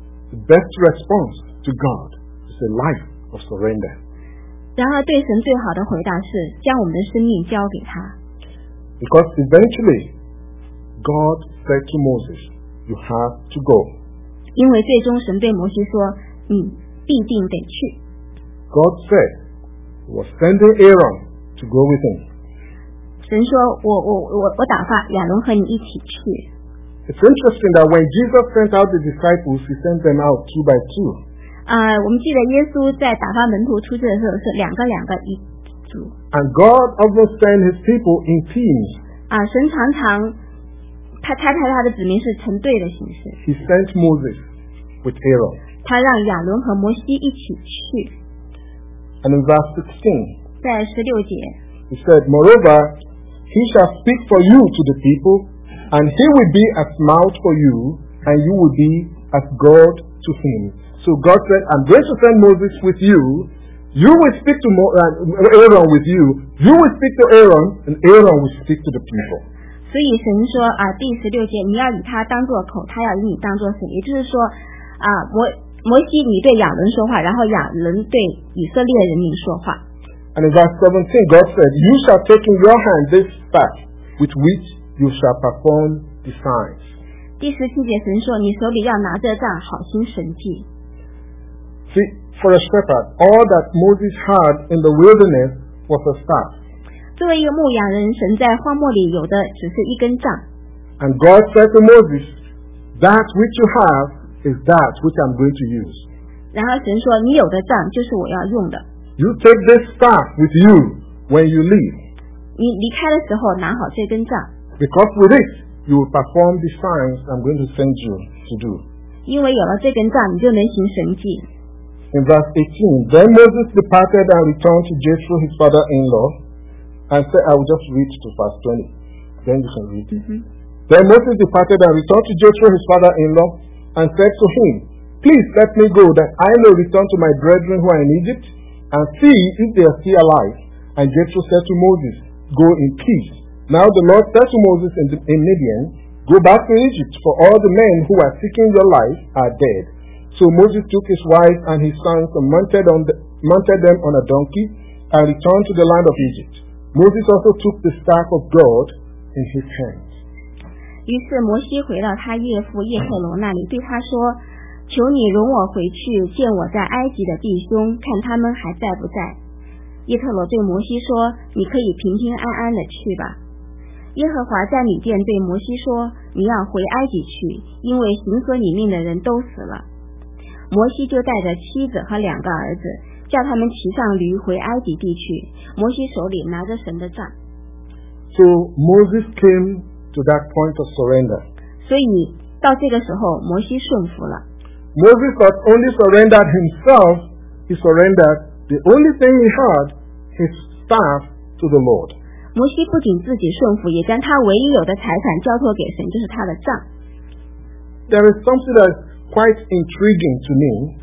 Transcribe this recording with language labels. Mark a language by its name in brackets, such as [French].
[English] The best response to God is a life of surrender. [Chinese] 然而，对神最好的回答是将我们的生命交给他。 [English] Because eventually, God said to Moses, "You have to go." [Chinese] 因为最终神对摩西说，你必定得去。 [English] God said, "He was sending Aaron to go with him." [Chinese] 神说，我打发亚伦和你一起去。 [English] It's interesting that when Jesus sent out the disciples, he sent them out two by two. [Chinese] 我们记得耶稣在打发门徒出去的时候是两个两个一。 [English] And God often sends His people in teams. [Chinese] 神常常他差派他的子民是成对的形式。 [English] He sent Moses with Aaron. [Chinese] 他让亚伦和摩西一起去。 [English] And in verse 16, [Chinese] 在十六节 [English] He said, "Moreover, He shall speak for you to the people, and He will be as mouth for you, and you will be as God to Him." So God said, "I'm going to send Moses with you." You will speak to Aaron with you. You will speak to Aaron, and Aaron will speak to the people. [Chinese] 所以神说第十六节，你要以他当作口，他要以你当作神。也就是说，摩西，你对亚伦说话，然后亚伦对以色列人民说话。 [English] And in verse 17, God said, "You shall take in your hand this staff with which you shall perform the signs." [Chinese] 第十七节，神说，你手里要拿着杖，好行神迹。 [English] See. For a shepherd, all that Moses had in the wilderness was a staff. [Chinese] 作为一个牧羊人，神在荒漠里有的只是一根杖。 [English] And God said to Moses, "That which you have is that which I'm going to use." [Chinese] 然后神说，你有的杖就是我要用的。 [English] You take this staff with you when you leave. [Chinese] 你离开的时候拿好这根杖。 [English] Because with it, you will perform the signs I'm going to send you to do. [Chinese] 因为有了这根杖，你就能行神迹。 [English] In verse 18, then Moses departed and returned to Jethro his father-in-law and said, I will just read to verse 20. Then you can read. Then Moses departed and returned to Jethro his father-in-law and said to him, "Please let me go that I may return to my brethren who are in Egypt and see if they are still alive." And Jethro said to Moses, "Go in peace." Now the Lord said to Moses in Midian, "Go back to Egypt, for all the men who are seeking your life are dead." So Moses took his wife and his sons and mounted them on a donkey and returned to the land of Egypt. Moses also took the staff of God in his hands. [Chinese] 于是摩西回到他岳父叶赫龙那里，对他说，求你容我回去见我在埃及的弟兄，看他们还在不在。叶赫罗对摩西说，你可以平平安安的去吧。耶和华在米甸对摩西说，你要回埃及去，因为行和你命的人都死了。摩西就带着妻子和两个儿子，叫他们骑上驴回埃及地去。摩西手里拿着神的杖。 [English] So Moses came to that point of surrender. [Chinese] 所以到这个时候，摩西顺服了。 [English] Moses not only surrendered himself, he surrendered the only thing he had, his staff, to the Lord. [Chinese] 摩西不仅自己顺服，也将他唯一有的财产交托给神，就是他的杖。 [English] There is something that is quite intriguing to me.